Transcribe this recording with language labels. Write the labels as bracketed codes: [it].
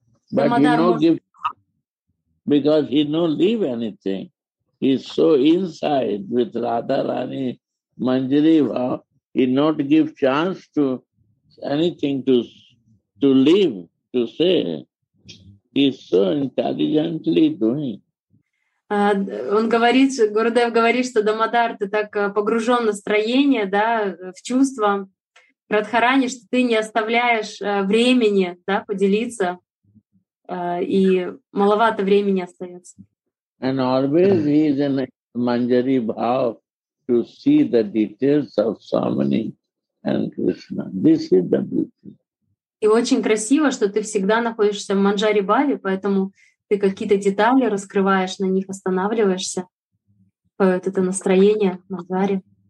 [en] But he no give, because he no leave anything. He's so inside with Radha Rani Manjariva, he not give chance to anything to leave, to say. He's so intelligently doing. [ru] Он говорит, Гурудев говорит, что Дамодар, ты так погружен в настроение, да, в чувства Радхарани, что ты не оставляешь времени, да, поделиться, и маловато времени остается. [en] And always he is in a Manjari bhav to see the details of Swamini and Krishna. This is the beauty. [ru] И очень красиво, что ты всегда находишься в Манджари Бхаве, поэтому ты какие-то детали раскрываешь, на них останавливаешься. Вот это настроение в Манджари.